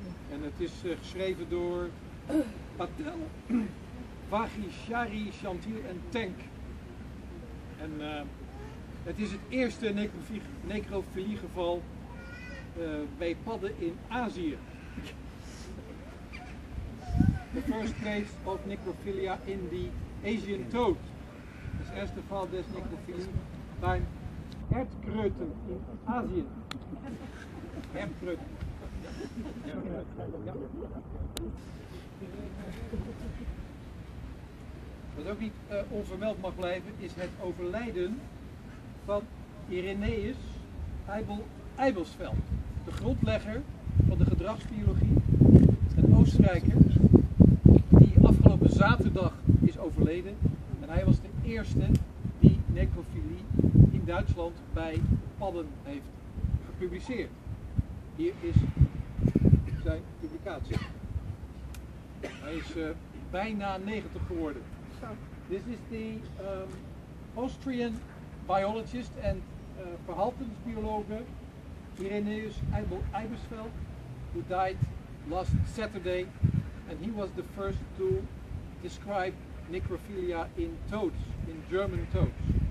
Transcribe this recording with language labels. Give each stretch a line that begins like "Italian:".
Dutch: En het is geschreven door Patel, Vagishari, Chantil en Tank. En het is het eerste necrofilie geval bij padden in Azië.
English: The first case of necrophilia in the Asian toad.
Dutch: Het eerste geval des necrofilie bij hertkreuten in Azië. Hertkreuten. Ja. Wat ook niet onvermeld mag blijven, is het overlijden van Irenaeus Eibelsveld, de grondlegger van de gedragsbiologie, een Oostenrijker, die afgelopen zaterdag is overleden. En hij was de eerste die necrofilie in Duitsland bij padden heeft gepubliceerd. Hier is zijn publicatie. Hij is bijna 90 geworden.
English: This is the Austrian biologist and verhaltensbiologe Irenaeus Eibelsveld, who died last Saturday, and he was the first to describe necrophilia in toads, in German toads.